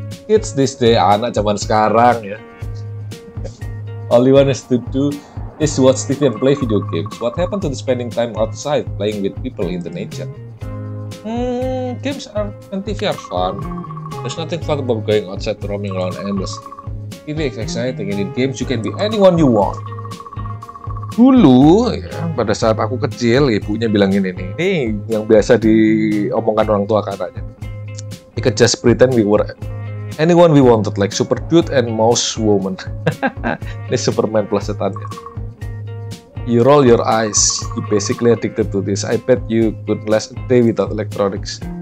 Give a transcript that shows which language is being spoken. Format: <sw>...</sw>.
<en>Kids this day,</en> <id>anak zaman sekarang ya.</id> <en>All you want is to do is watch TV and play video games. What happened to the spending time outside playing with people in the nature? Games are and TV are fun. There's nothing fun about going outside roaming around aimlessly. TV is exciting, and in games you can be anyone you want.</en> <id>Dulu, ya, pada saat aku kecil, ibunya bilang ini nih. Ini yang biasa diomongkan orang tua katanya.</id> <en>We could just pretend we were anyone we wanted, like Super Dude and Mouse Woman.</en> <id>Ini Superman plus setannya.</id> <en>You roll your eyes, you basically addicted to this. I bet you could last a day without electronics.</en>